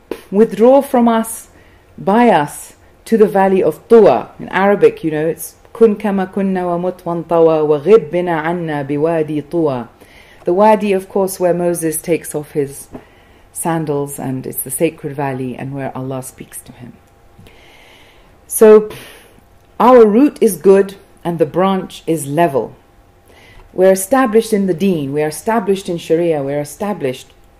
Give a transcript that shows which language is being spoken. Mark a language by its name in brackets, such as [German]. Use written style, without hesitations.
[English] Withdraw from us, by us, to the valley of Tuwa. In Arabic, you know, it's [Arabic] كُنْ كَمَا كُنَّا وَمُطْ وَانْطَوَى وَغِبْ بِنَا عَنَّا بِوَادِي طُوَى. [English] The wadi, of course, where Moses takes off his sandals, and it's the sacred valley, and where Allah speaks to him. So, our root is good, and the branch is level. We're established in the deen, we are established in sharia, we're established.